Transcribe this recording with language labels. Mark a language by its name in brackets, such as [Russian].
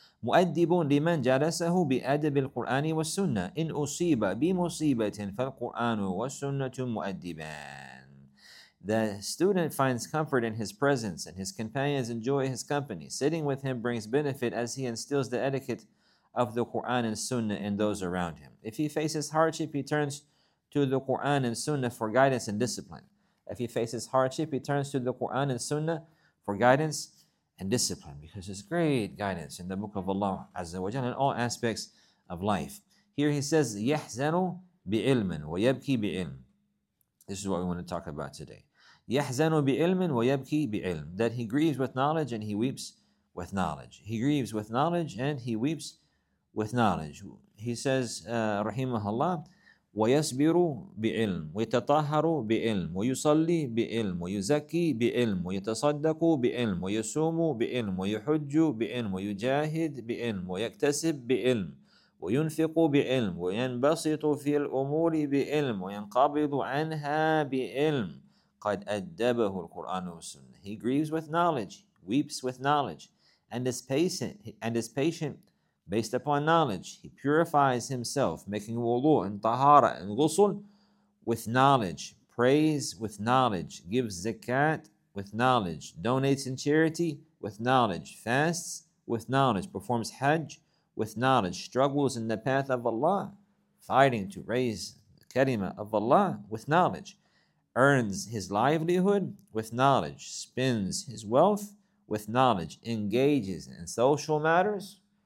[Arabic] مؤدب لمن جلسه بأدب القرآن والسنة إن أصيب بمصيبة فالقرآن والسنة مؤدبان. [English] The student finds comfort in his presence, and his companions enjoy his company. Sitting with him brings benefit, as he instills the etiquette of the Quran and Sunnah in those around him. If he faces hardship, he turns to the Quran and Sunnah for guidance and discipline. If he faces hardship, he turns to the Quran and Sunnah for guidance and discipline, because it's great guidance in the Book of Allah Azza wa Jalla in all aspects of life. Here he says, [Arabic] يَحْزَنُ بِعِلْمٍ وَيَبْكِي بِعِلْمٍ. [English] This is what we want to talk about today. [Arabic] يَحْزَنُ بِعِلْمٍ وَيَبْكِي بِعِلْمٍ. [English] That he grieves with knowledge and he weeps with knowledge. He grieves with knowledge and he weeps with knowledge. He says, [Arabic] Rahimahullah, وَيَسْبِرُ بِعِلْمٍ وَيَتَطَهَّرُ بِعِلْمٍ وَيُصَلِّي بِعِلْمٍ وَيُزَكِّي بِعِلْمٍ وَيَتَصَدَّقُ بِعِلْمٍ وَيَصُومُ بِعِلْمٍ وَيُحُجُّ بِعِلْمٍ وَيُجَاهِدُ بِعِلْمٍ وَيَكْتَسِبُ بِعِلْمٍ وَيُنْفِقُ بِعِلْمٍ وَيَنْبَسِطُ فِي الْأُمُورِ بِعِلْمٍ وَيَنْقَبِضُ عَنْهَا بِعِلْمٍ قَدْ أَدَّبَهُ الْقُرْآنُ وَالسُّنَّةُ. [English] He grieves with knowledge, weeps with knowledge, and is patient based upon knowledge. He purifies himself, making wudu and tahara and ghusl with knowledge, prays with knowledge, gives zakat with knowledge, donates in charity with knowledge, fasts with knowledge, performs hajj with knowledge, struggles in the path of Allah, fighting to raise the kalima of Allah with knowledge, earns his livelihood with knowledge, spends his wealth with knowledge, engages in social matters.